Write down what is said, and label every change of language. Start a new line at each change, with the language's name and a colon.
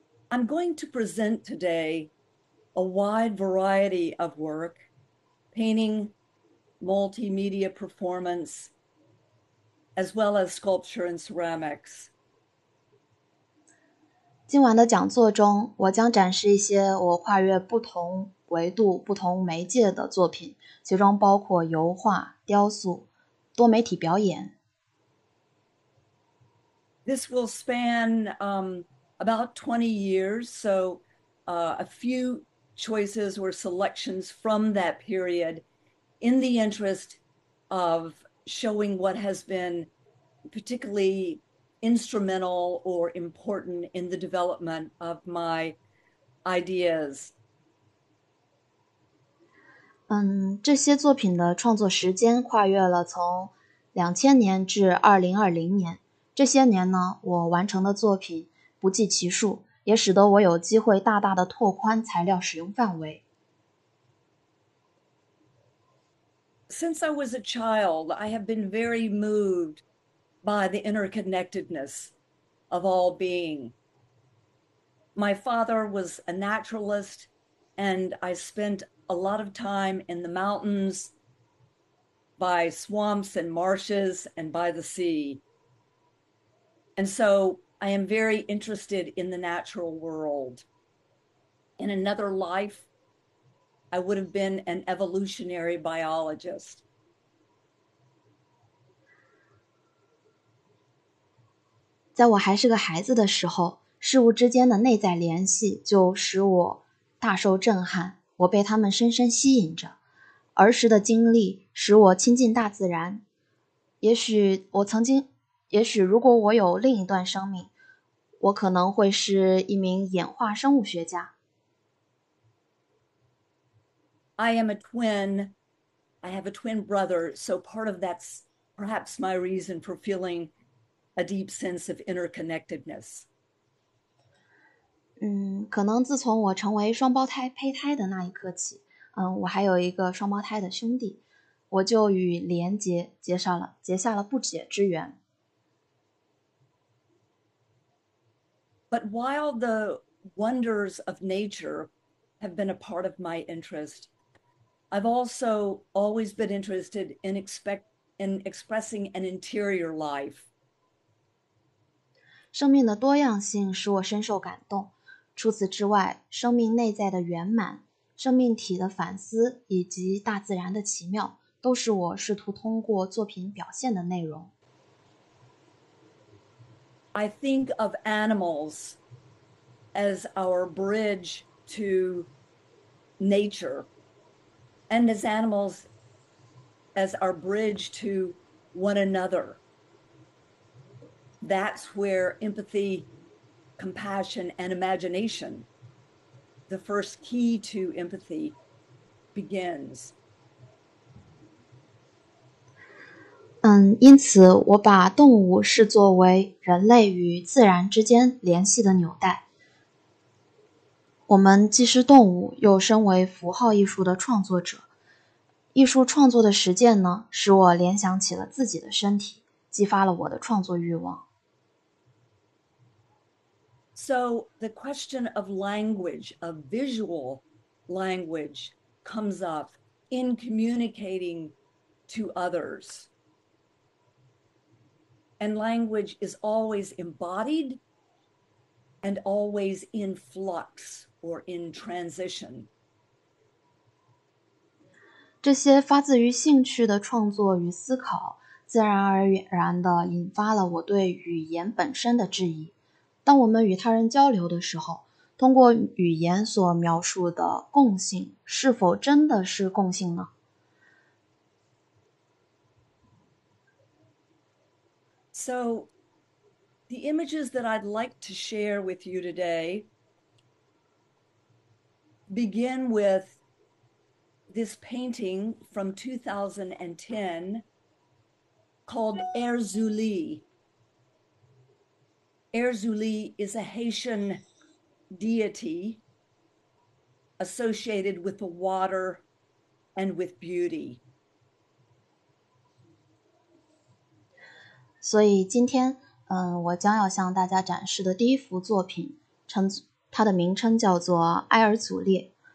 English: I'm going to present today a wide variety of work, painting, multimedia performance, as well as sculpture and ceramics.
Chinese: 今晚的讲座中，我将展示一些我跨越不同维度、不同媒介的作品，其中包括油画、雕塑、多媒体表演。
English: This will span about 20 years, so a few choices or selections from that period in the interest of showing what has been particularly instrumental or important in the development of my ideas.
Chinese: 这些作品的创作时间跨越了从2000年至2020年。这些年呢，我完成的作品不计其数，也使得我有机会大大的拓宽材料使用范围。
English: Since I was a child, I have been very moved by the interconnectedness of all being. My father was a naturalist, and I spent a lot of time in the mountains, by swamps and marshes, and by the sea. And so I am very interested in the natural world. In another life, I would have been an evolutionary biologist.
Chinese: 在我还是个孩子的时候，事物之间的内在联系就使我大受震撼，我被它们深深吸引着。儿时的经历使我亲近大自然。也许如果我有另一段生命，我可能会是一名演化生物学家。
English: I am a twin. I have a twin brother. So part of that's perhaps my reason for feeling a deep sense of interconnectedness.
Chinese: 可能自从我成为双胞胎胚胎的那一刻起，我还有一个双胞胎的兄弟，我就与连结结下了不解之缘。
English: But while the wonders of nature have been a part of my interest, I've also always been interested in expressing an interior life.
Chinese: 生命的多样性使我深受感动。除此之外，生命内在的圆满、生命体的反思以及大自然的奇妙，都是我试图通过作品表现的内容。
English: I think of animals as our bridge to nature. And as animals, as our bridge to one another, that's where empathy, compassion, and imagination, the first key to empathy, begins.
Chinese: 因此我把动物视作为人类与自然之间联系的纽带。我们既是动物，又身为符号艺术的创作者。艺术创作的实践呢，使我联想起了自己的身体，激发了我的创作欲望。
English: So the question of language, of visual language, comes up in communicating to others. And language is always embodied and always in flux or in transition.
Chinese: 这些发自于兴趣的创作与思考，自然而然地引发了我对语言本身的质疑。当我们与他人交流的时候，通过语言所描述的共性，是否真的是共性呢？
English: So, the images that I'd like to share with you today begin with this painting from 2010 called Erzuli. Erzuli is a Haitian deity associated with the water and with beauty.
Chinese: 所以今天，我将要向大家展示的第一幅作品，它的名称叫做埃尔祖列。